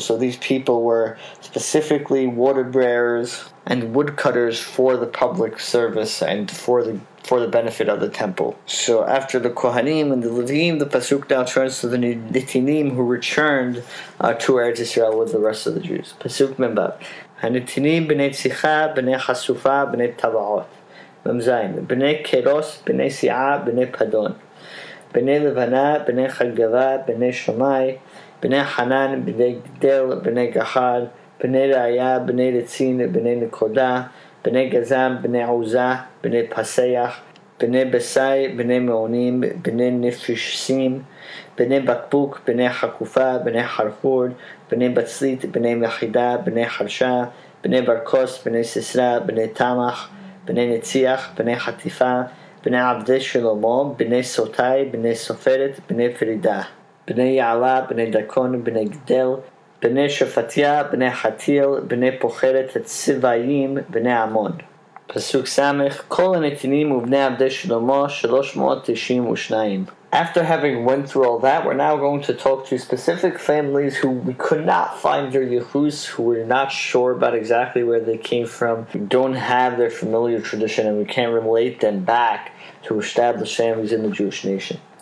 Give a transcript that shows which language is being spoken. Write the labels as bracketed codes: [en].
[en] So these people were specifically water bearers and woodcutters for the public service and for the benefit of the temple. So after the Kohanim and the Levim, the Pasuk now turns to the Nitinim who returned to Eretz Israel with the rest of the Jews. [he] Pasuk Membav. הנתינים בני ציחה, בני חשופה, בני טבעות. ממזיין, בני קרוס, בני סיעה, בני פדון. בני לבנה, בני חגבה, בני שומאי. בני חנן, בני גדל, בני גחל. בני ראיה, בני רצין, בני נקודה. בני גזם, בני עוזה, בני פסח. בני בסי, בני מעונים, בני נפשסים. בני בקבוק, בני חקופה, בני חרפור. בני בצלית, בני מחידה, בני חרשה, בני ברקוס, בני סיסרא, בני תמח, בני נציח, בני חטיפה, בני עבדי שלמה, בני סוטאי, בני סופרת, בני פרידה, בני יעלה, בני דקון, בני גדל, בני שפטיה, בני חתיל, בני פוחרת הצבעים, בני עמון. פסוק סמך, כל הנתינים ובני עבדי שלמה, 392. [en] After having went through all that, we're now going to talk to specific families who we could not find their Yehus, who we're not sure about exactly where they came from, who don't have their familiar tradition, and we can't relate them back to established families in the Jewish nation.